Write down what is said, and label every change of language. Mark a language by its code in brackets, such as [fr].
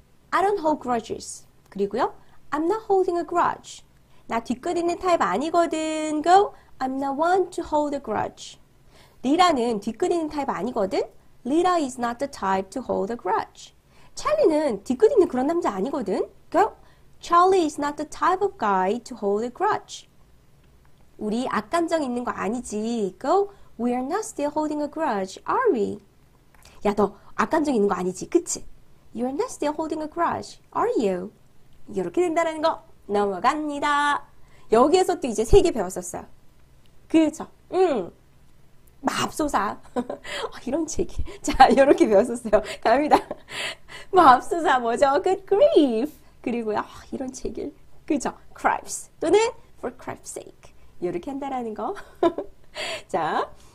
[en] I don't hold grudges. [ko] 그리고요. [en] I'm not holding a grudge. [ko] 나 뒤끝 있는 타입 아니거든. [en] Go! I'm not one to hold a grudge. [ko] 리라는 뒤끝 있는 타입 아니거든. [en] Lira is not the type to hold a grudge. [ko] 찰리는 뒤끝 있는 그런 남자 아니거든. [en] Go! Charlie is not the type of guy to hold a grudge. [ko] 우리 악감정 있는 거 아니지. [en] Go! We are not still holding a grudge, are we? [ko] 야, 너 악감정 있는 거 아니지, 그치? [en] You are not still holding a grudge, are you? [ko] 이렇게 된다는 거 넘어갑니다. 여기에서 또 이제 3개 배웠었어요. 그쵸? 맙소사. 이런 책이. 자, 이렇게 배웠었어요. 갑니다. 맙소사 뭐죠? [en] Good grief. [ko] 그리고요, 이런 책이. 그쵸? Cripes 또는 [en] for crap's sake. [ko] 이렇게 한다라는 거. 자.